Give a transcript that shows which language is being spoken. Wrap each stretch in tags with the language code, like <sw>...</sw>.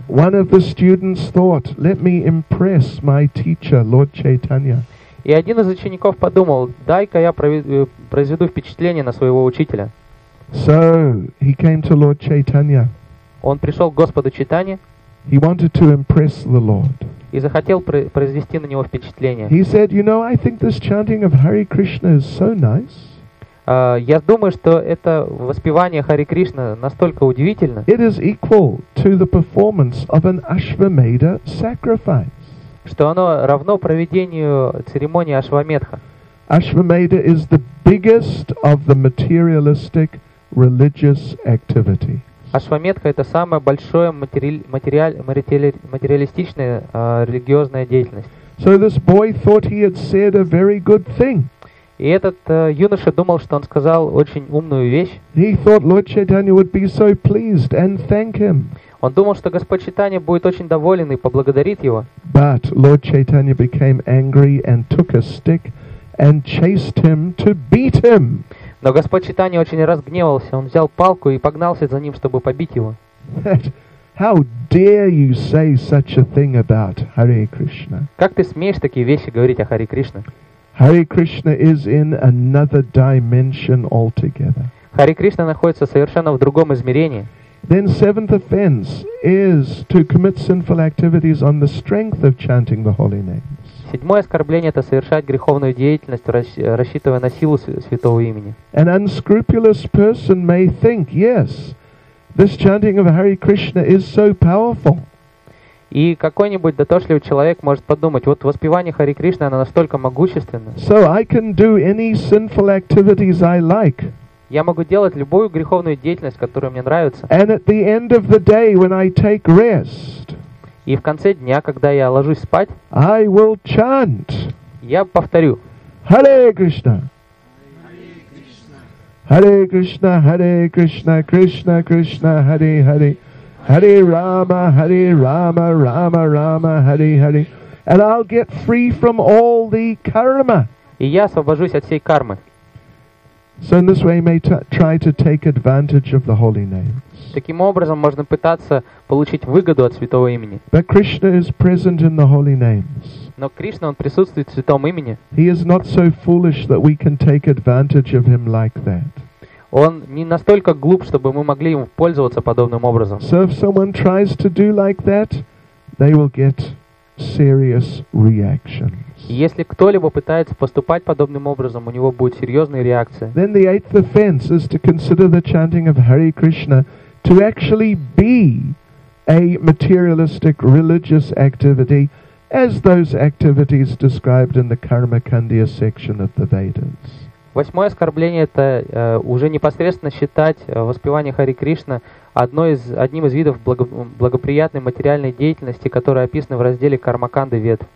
<en>One of the students thought, let me impress my teacher, Lord Chaitanya.</en> <ru>И один из учеников подумал, дай-ка я произведу впечатление на своего учителя.</ru> <en>So he came to Lord Chaitanya.</en> <ru>Он пришел к Господу Чайтанье.</ru> <en>He wanted to impress the Lord.</en> <ru>И захотел произвести на него впечатление.</ru> <en>He said, you know, I think this chanting of Hare Krishna is so nice.</en> <ru>Я думаю, что это воспевание Харе Кришна настолько удивительно.</ru> <en>It is equal to the performance of an Ashwamedha sacrifice.</en> <ru>Что оно равно проведению церемонии Ашвамедха.</ru> <en>Ashwamedha is the biggest of the materialistic religious activity.</en> <ru>Ашвамедха — это самая большая материалистичная религиозная деятельность.</ru> <en>So this boy thought he had said a very good thing.</en> <ru>И этот юноша думал, что он сказал очень умную вещь.</ru> <en>He thought Lord Chaitanya would be so pleased and thank him.</en> <ru>Он думал, что Господь Чайтанья будет очень доволен и поблагодарит его.</ru> <en>But Lord Chaitanya became angry and took a stick and chased him to beat him.</en> <ru>Но Господь Чайтанья очень разгневался. Он взял палку и погнался за ним, чтобы побить его.</ru> <en>How dare you say such a thing about Hare Krishna?</en> <ru>Как ты смеешь такие вещи говорить о Харе Кришне?</ru> <en>Hare Krishna is in another dimension altogether.</en> <ru>Харе Кришна находится совершенно в другом измерении.</ru> <en>Then seventh offense is to commit sinful activities on the strength of chanting the holy names.</en> <ru>Седьмое оскорбление — это совершать греховную деятельность, рассчитывая на силу святого имени.</ru> <en>An unscrupulous person may think, yes, this chanting of Hare Krishna is so powerful.</en> <ru>И какой-нибудь дотошливый человек может подумать, вот воспевание Харе Кришны, оно настолько могущественно.</ru> <en>So I can do any sinful activities I like.</en> <ru>Я могу делать любую греховную деятельность, которая мне нравится.</ru> <en>And at the end of the day, when I take rest,</en> <ru>и в конце дня, когда я ложусь спать,</ru> <en>I will chant.</en> <ru>Я повторю.</ru> <sa>Hare Krishna. Hare Krishna. Hare Krishna. Hare Krishna. Krishna Krishna. Hare Hare. Hare Rama. Hare Rama. Rama Rama. Hare Hare.</sa> <en>And I'll get free from all the karma.</en> <ru>И я освобожусь от всей кармы.</ru> <en>So in this way, may try to take advantage of the holy names.</en> <ru>Таким образом можно пытаться получить выгоду от святого имени.</ru> <en>But Krishna is present in the holy names.</en> <ru>Но Кришна, он присутствует в святом имени.</ru> <en>He is not so foolish that we can take advantage of him like that.</en> <ru>Он не настолько глуп, чтобы мы могли им пользоваться подобным образом.</ru> <en>So if someone tries to do like that, they will get serious reactions.</en> <ru>Если кто-либо пытается поступать подобным образом, у него будет серьезная реакция.</ru> <en>Then the eighth offense is to consider the chanting of Hare Krishna to actually be a materialistic religious activity, as those activities described in the Karmakandya section of the Vedas.</en> <ru>Восьмое оскорбление — это уже непосредственно считать воспевание Харе Кришна одним из видов благоприятной материальной деятельности, которая описана в разделе Кармаканды Вед.</ru>